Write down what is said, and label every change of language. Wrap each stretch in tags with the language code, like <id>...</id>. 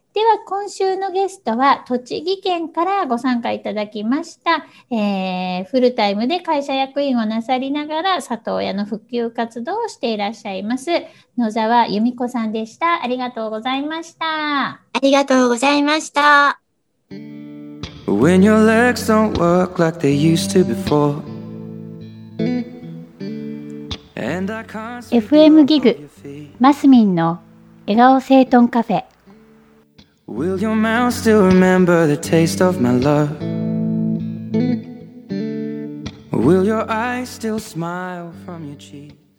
<ja>では、今週のゲストは、栃木県からご参加いただきました、フルタイムで会社役員をなさりながら、里親の復旧活動をしていらっしゃいます、野沢由美子さんでした。ありがとうございました。ありがとうございました。</ja> <en>When your legs don't work like they used to before.</en> <ja>FM ギグ、マスミンの笑顔整頓カフェ。</ja> <en>Will your mouth still remember the taste of my love? Will your eyes still smile from your cheek?</en>